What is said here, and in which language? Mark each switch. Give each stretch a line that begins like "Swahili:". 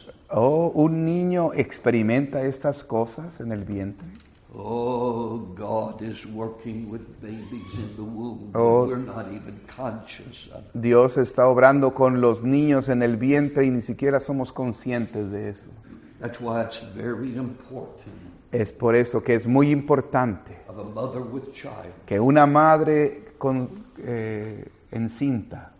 Spanish: Oh, un niño experimenta estas cosas en el vientre.
English: Oh, God is working with babies in the womb. Oh, we're not even conscious of it.
Spanish: Dios está obrando con los niños en el vientre y ni siquiera somos conscientes de eso.
English: That's why it's very important.
Spanish: Es por eso que es muy importante
English: of a mother with child.
Spanish: Que una madre con encinta.